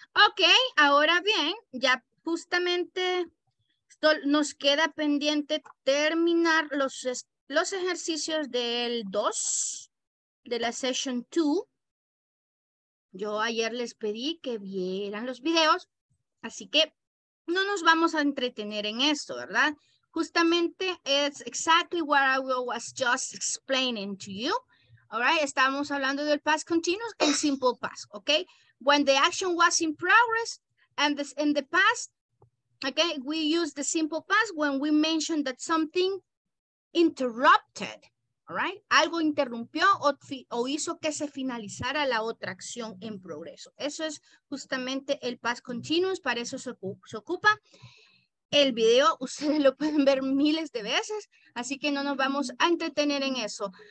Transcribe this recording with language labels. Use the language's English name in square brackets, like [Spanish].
[Spanish] Okay, ahora bien, ya justamente nos queda pendiente terminar los ejercicios del 2 de la session 2. Yo ayer les pedí que vieran los videos, así que no nos vamos a entretener en esto, ¿verdad? Justamente es [English] exactly what I was just explaining to you. All right, [Spanish] estábamos hablando del past continuous and simple past, okay? [English] When the action was in progress and this in the past, okay, we use the simple past when we mentioned that something interrupted. All right. [Spanish] Algo interrumpió o hizo que se finalizara la otra acción en progreso. Eso es justamente el past continuous. Para eso se ocupa el video. Ustedes lo pueden ver miles de veces. Así que no nos vamos a entretener en eso.